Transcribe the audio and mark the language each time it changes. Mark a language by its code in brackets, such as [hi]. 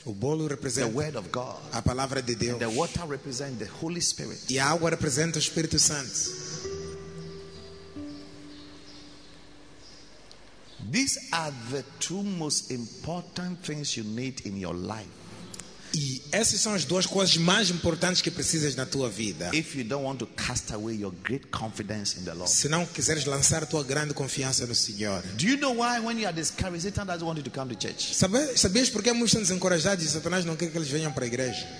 [pt] o bolo representa, [en] the word of God. [pt] A palavra de Deus. [en] And the water represents the Holy Spirit. [pt] E a água representa o Espírito Santo. [en] These are the two most important things you need in your life. [pt] E essas são as duas coisas mais importantes que precisas na tua vida. [en] If you don't want to cast away your great confidence in the Lord. [pt] Se não quiseres lançar a tua grande confiança no Senhor. [en] Do you know why when you are discouraged, Satan doesn't want you to come to church? [pt] Sabes por que muitos estão desencorajados e Satanás não quer que eles venham para a igreja?